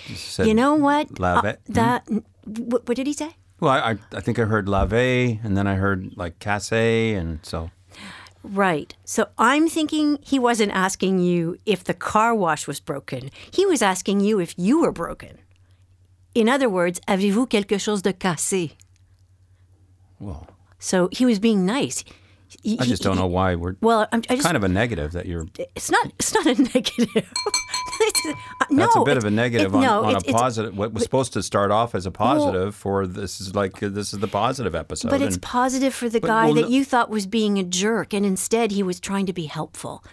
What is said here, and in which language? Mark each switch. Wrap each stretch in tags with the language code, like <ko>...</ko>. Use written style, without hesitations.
<en>Said, you know what?</en> <fr>Lave.</fr> <en>What did he say? Well, I think I heard lave, and then I heard like casse, and so. Right. So I'm thinking he wasn't asking you if the car wash was broken. He was asking you if you were broken. In other words,</en> <fr>avez-vous quelque chose de cassé?</fr> <en>Well. So he was being nice. Kind of a negative that you're. It's not a negative. That's a bit of a negative on a positive. What was supposed to start off as a positive this is the positive episode. But it's positive for the guy that you thought was being a jerk, and instead he was trying to be helpful.</en>